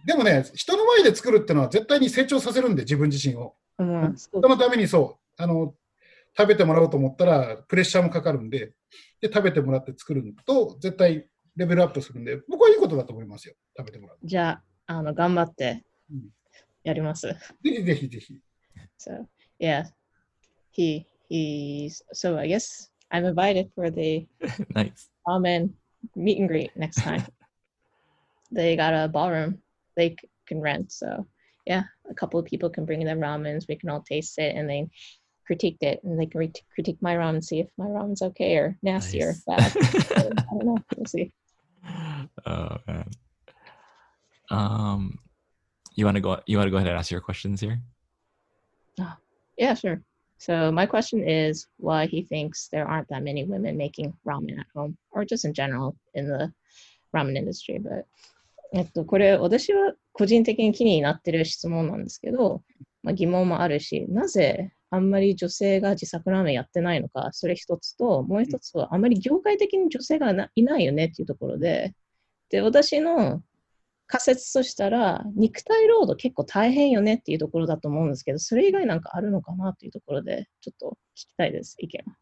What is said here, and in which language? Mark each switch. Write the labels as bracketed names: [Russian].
[Japanese] でもね、人の前で作るってのは絶対に成長させるんで、自分自身を。人のためにそう。あの、食べてもらおうと思ったらプレッシャーもかかるんで、で、食べてもらって作ると絶対レベルアップするんで、僕はいいことだと思いますよ、食べてもらう。じゃあ、あの、頑張ってやります。ぜひぜひぜひ。 [English] So, yeah, he's, so I guess I'm invited for the ramen meet and greet next time. They got a ballroom they can rent, so yeah, a couple of people can bring their ramens, we can all taste it, and then critiqued it, and they can critique my ramen, see if my ramen's okay or nasty or bad. I don't know. We'll see. Oh man. You want to go ahead and ask your questions here? Oh, yeah, sure. So my question is, why he thinks there aren't that many women making ramen at home, or just in general in the ramen industry. But [Japanese] これ私は個人的に気になってる質問なんですけど、まあ、疑問もあるし、なぜあんまり女性が自作ラーメンやってないのか、それ一つと、もう一つは、あんまり業界的に女性がいないよねっていうところで、で、私の仮説としたら、肉体労働結構大変よねっていうところだと思うんですけど、それ以外なんかあるのかなっていうところで、ちょっと聞きたいです、意見。